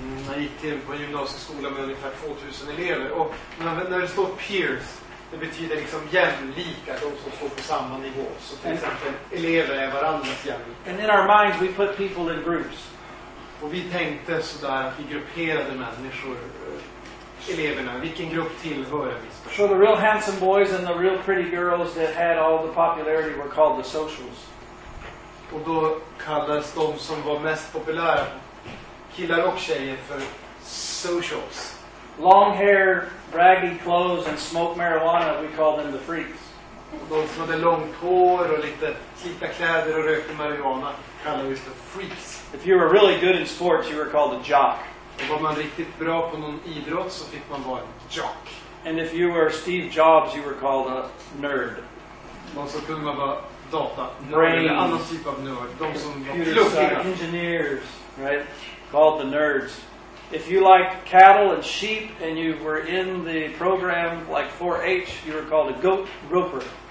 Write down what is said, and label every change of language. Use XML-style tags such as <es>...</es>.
<sv>Jag gick till på gymnasieskola med ungefär 2,000 elever. Och när det står peers, det betyder liksom jämlika, de som står på samma nivå. Så till exempel elever är varandras jämlika.</sv> <en>And in our minds we put people in groups.</en> <sv>Och vi tänkte så där att vi grupperade människor, eleverna, vilken grupp tillhör vi?</sv> <en>So the real handsome boys and the real pretty girls that had all the popularity were called the socials.</en> <sv>Och då kallades de som var mest populära, killar och tjejer, för socials.</sv> <en>Long hair, raggy clothes and smoke marijuana, we call them the freaks.</en> <sv>Och de som hade långt hår och lite slitna kläder och rökte marijuana kallades just the freaks.</sv> <en>If you were really good in sports, you were called a jock.</en> <sv>Och var man riktigt bra på någon idrott så fick man vara en jock.</sv> <en>And if you were Steve Jobs, you were called a nerd.</en> <sv>Någon som kunde vara data, nerd, eller annan typ av nerd. De som var pluggiga.</sv> <en>Engineers, right? Called the nerds. If you liked cattle and sheep and you were in the program like 4-H, you were called a goat roper.</en>